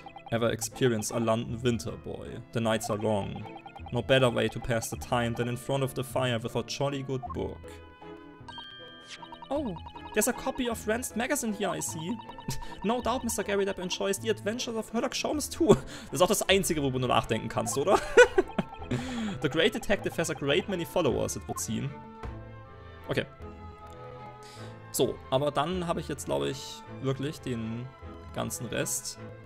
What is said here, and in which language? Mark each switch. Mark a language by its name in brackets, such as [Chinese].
[English] Ever experience a London winter, boy? The nights are long. No better way to pass the time than in front of the fire with a jolly good book. Oh, there's a copy of Rancid Magazine here, I see. No doubt Mr. Gary Depp enjoys the adventures of Sherlock Holmes too. [German] Das ist auch das Einzige, worüber du nachdenken kannst, oder? [English] The great detective has a great many followers, it would seem. Okay. [German] So, aber dann habe ich jetzt, glaube ich, wirklich den ganzen Rest.